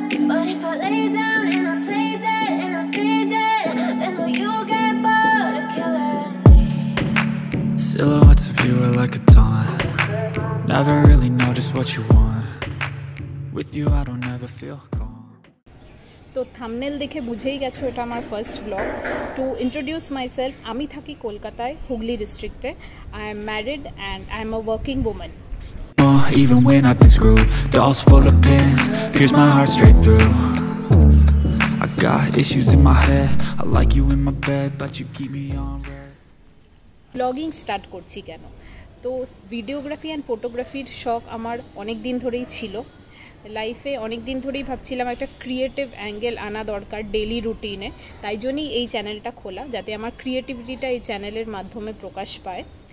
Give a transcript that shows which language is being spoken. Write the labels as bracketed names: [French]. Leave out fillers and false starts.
[English] But if I lay down and I play dead and I stay dead, then will you get bored of killing me? Silhouettes of you are like a taunt. Never really know just what you want. With you, I don't ever feel calm. [Bangla] তো thumbnail দেখে বুঝেই গেছো এটা আমার first blog. [English] to introduce myself, [Bangla] আমি থাকি কলকাতায় হুগলি ডিস্ট্রিক্টে। [English] I am married and I am a working woman. Even when I've been screwed, dolls full of pins, pierce my heart straight through. I got issues in my head, I like you in my bed, but you keep me on red. [Bangla] Blogging start করছি কেন? তো videography and ফটোগ্রাফির শখ আমার অনেক দিন ধরেই ছিল। লাইফে অনেক দিন ধরেই ভাবছিলাম একটা ক্রিয়েটিভ অ্যাঙ্গেল আনা দরকার ডেইলি রুটিনে, তাই জন্যই এই চ্যানেলটা খোলা, যাতে আমার ক্রিয়েটিভিটিটা এই চ্যানেলের মাধ্যমে প্রকাশ পায়।